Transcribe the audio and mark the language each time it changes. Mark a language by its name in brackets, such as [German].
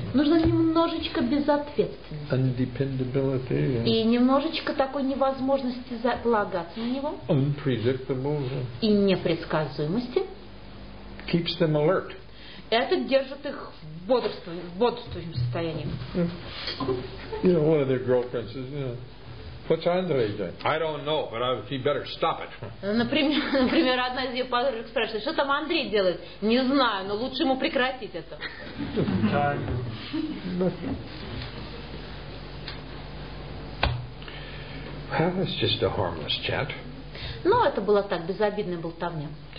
[Russian] Нужно немножечко безответственности. [English] Undependability. [Russian] И немножечко такой невозможности полагаться на него. [English] Unpredictable. [Russian] И непредсказуемости. [English] Keeps them alert. [Russian] Это держит их в бодрствующем состоянии. [English] You know, one of their girlfriends is, you know, what's Andre doing? I don't know, but he better stop it. [Russian] Например, одна из ее подружек спрашивает, что там Андрей делает? Не знаю, но лучше ему прекратить это. [English] Well, it's just a harmless chat. Ну, это была так, безобидная болтовня.